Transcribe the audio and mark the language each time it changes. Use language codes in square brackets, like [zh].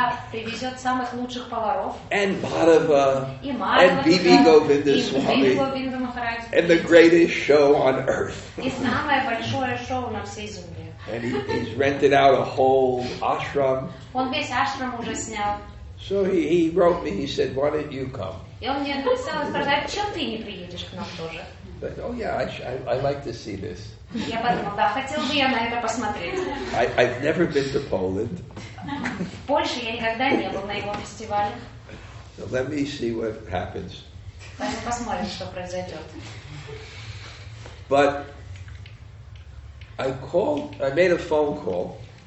[ru] Привезет самых лучших поваров. [en] And Madhava. [ru] И Madhava. [en] And Bibi Govinda Swami. And the greatest show on earth. [ru] И самое большое шоу на всей земле. [en] And he's rented out a whole ashram. [ru] Он весь ашрам уже снял. [en] So he wrote me, he said, why don't you come? [ru] И он мне написал и спрашивает, а чем ты не приедешь к нам тоже? [en] But, oh yeah, I like to see this. [ru] Я подумал, да, хотел бы я на это посмотреть. [en] I've never been to Poland. [ru] В Польше я никогда не был на его фестивалях. [en] So let me see what happens. [ru] Давай посмотрим, что произойдет. [en] But I made a phone call.